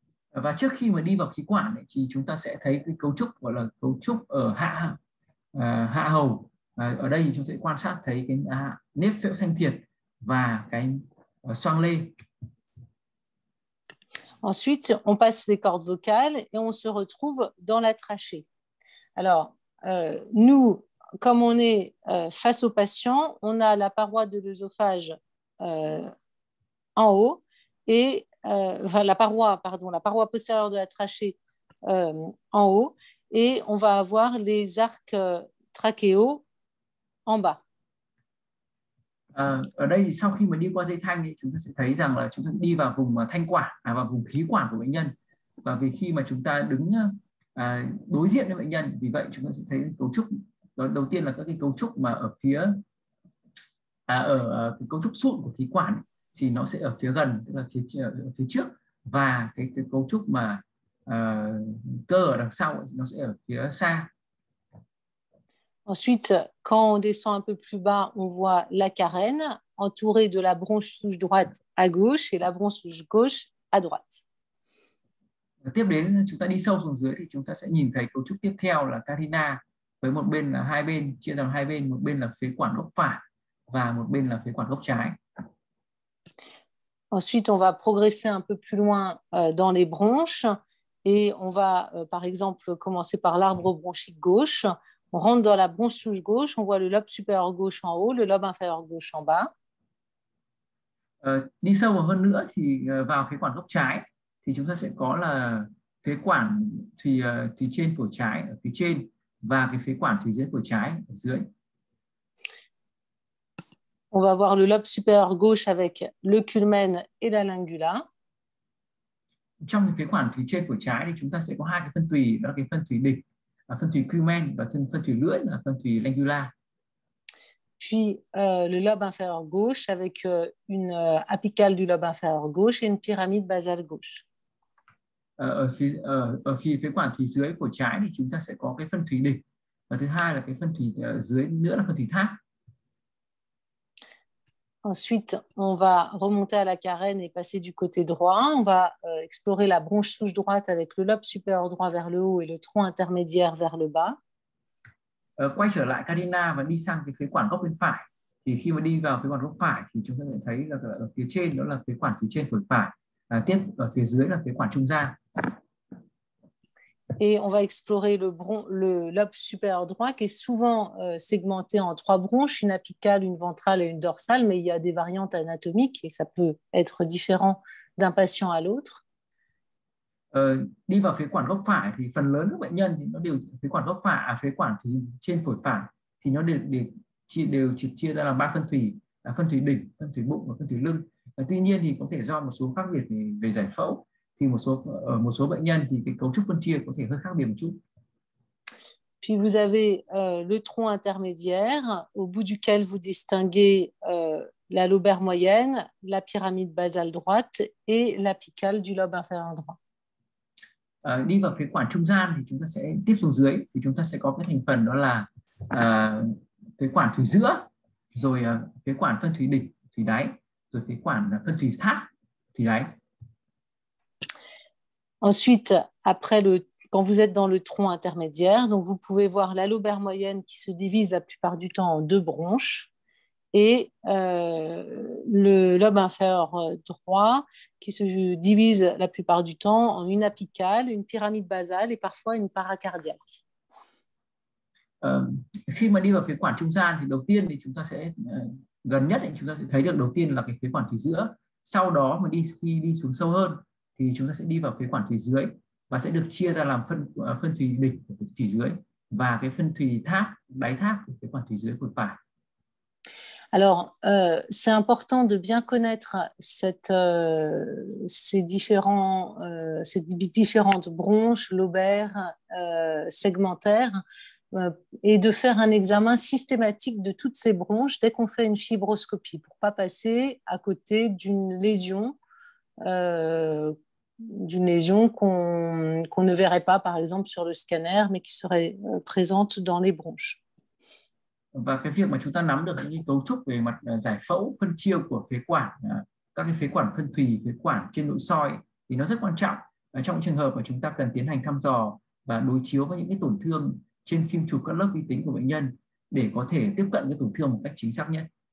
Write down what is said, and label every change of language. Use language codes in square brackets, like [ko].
[vi] Và trước khi mà đi vào khí quản ấy, thì chúng ta sẽ thấy cái cấu trúc gọi là cấu trúc ở hạ hầu. Ở đây thì chúng sẽ quan sát thấy cái nếp phễu thanh thiệt và cái xoang lê. [fr] Ensuite, on passe les cordes vocales et on se retrouve dans la trachée. Alors, nous, comme on est face au patient, on a la paroi de l'œsophage en haut et la paroi postérieure de la trachée en haut et on va avoir les arcs trachéaux en bas. [vi] Ở đây thì sau khi mà đi qua dây thanh thì chúng ta sẽ thấy rằng là chúng ta đi vào vùng thanh quản, vào vùng khí quản của bệnh nhân. Và vì khi mà chúng ta đứng đối diện với bệnh nhân, vì vậy chúng ta sẽ thấy cấu trúc đầu tiên là các cái cấu trúc mà ở phía cái cấu trúc sụn của khí quản thì nó sẽ ở phía gần, tức là phía trước, và cái cấu trúc mà cơ ở đằng sau nó sẽ ở phía xa. [fr] Ensuite, quand on descend un peu plus bas, on voit la carène entourée de la bronche souche droite à gauche et la bronche souche gauche à droite. [vi] Tiếp đến, chúng ta đi sâu xuống dưới thì chúng ta sẽ nhìn thấy cấu trúc tiếp theo là carina với một bên là hai bên chia làm hai bên, một bên là phế quản gốc phải và một bên là phế quản gốc trái. [fr] Ensuite, on va progresser un peu plus loin dans les bronches Et on va, par exemple, commencer par l'arbre bronchique gauche. On rentre dans la bronchouche gauche. On voit le lobe supérieur gauche en haut, le lobe inférieur gauche en bas. [vi] Đi sâu hơn nữa thì vào phế quản gốc trái thì chúng ta sẽ có là phế quản thùy thùy trên của trái ở phía trên và cái phế quản thùy dưới của trái ở dưới. [fr] On va voir le lobe supérieur gauche avec le culmen et la lingula. [vi] Trong cái phế quản thùy trên của trái thì chúng ta sẽ có hai cái phân thùy, đó là cái phân thùy địch, phân thùy culmen và phân thùy lưỡi là phân thùy lingula. [fr] Puis le lobe inférieur gauche avec une apicale du lobe inférieur gauche et une pyramide basale gauche. [vi] Ở phía phế quản thùy dưới của trái thì chúng ta sẽ có cái phân thùy địch và thứ hai là cái phân thùy dưới nữa là phân thùy thác. [fr] Ensuite, on va remonter à la carène et passer du côté droit. On va explorer la bronche souche droite avec le lobe supérieur droit vers le haut et le tronc intermédiaire vers le bas. [vi] Quay trở lại carina và đi sang cái phế quản gốc bên phải. Thì khi mà đi vào phế quản gốc phải thì chúng ta sẽ thấy là ở phía trên đó là phế quản phía trên phổi phải. Tiếp ở phía dưới là phế quản trung gian. [fr] Et on va explorer le lobe supérieur droit qui est souvent segmenté en trois bronches, une apicale, une ventrale et une dorsale, mais il y a des variantes anatomiques et ça peut être différent d'un patient à l'autre. [vi] Đi vào phế quản gốc phải thì phần lớn các bệnh nhân thì nó đều phế quản gốc phải, phế quản thì trên phổi phải thì nó đều chia ra làm ba phân thùy, phân thùy đỉnh, phân thùy bụng và phân thùy lưng. Tuy nhiên thì có thể do một số khác biệt về giải phẫu. Thì một số bệnh nhân thì cái cấu trúc phân chia có thể hơi khác biệt một chút. [fr] Puis vous avez le tronc intermédiaire au bout duquel vous distinguez la lobaire moyenne, la pyramide basale droite et l'apicale du lobe inférieur droit. [vi] Đi vào phế quản trung gian thì chúng ta sẽ tiếp xuống dưới thì chúng ta sẽ có cái thành phần đó là phế quản thùy giữa, rồi phế quản phân thùy đỉnh, thùy đáy, rồi phế quản phân thùy thác, thùy đáy. [fr] Ensuite, après quand vous êtes dans le tronc intermédiaire, donc vous pouvez voir la lobaire moyenne qui se divise la plupart du temps en deux bronches et le lobe inférieur droit qui se divise la plupart du temps en une apicale, une pyramide basale et parfois une paracardiaque. [vi] Khi mà đi vào phế quản trung gian thì đầu tiên thì chúng ta sẽ gần nhất thì chúng ta sẽ thấy được đầu tiên là cái phế quản thùy giữa. Sau đó mà đi xuống sâu hơn thì chúng ta sẽ đi vào phế quản thùy dưới và sẽ được chia ra làm phân thùy đỉnh của thùy dưới và cái phân thùy thác, đáy thác của phế quản thùy dưới phổi phải. [fr] Alors, c'est important de bien connaître ces différentes bronches, lobaires, segmentaires, et de faire un examen systématique de toutes ces bronches dès qu'on fait une fibroscopie pour ne pas passer à côté d'une lésion qu'on ne verrait pas, par exemple, sur le scanner, mais qui serait présente dans les bronches. [vi] Và cái việc mà chúng ta nắm được những cấu trúc về mặt giải phẫu, phân chia của phế quản, các cái phế quản phân thùy, phế quản trên nội soi thì nó rất quan trọng trong trường hợp mà chúng ta cần tiến hành thăm dò và đối chiếu với những cái tổn thương trên phim chụp các lớp vi tính của bệnh nhân để có thể tiếp cận cái tổn thương một cách chính xác nhất.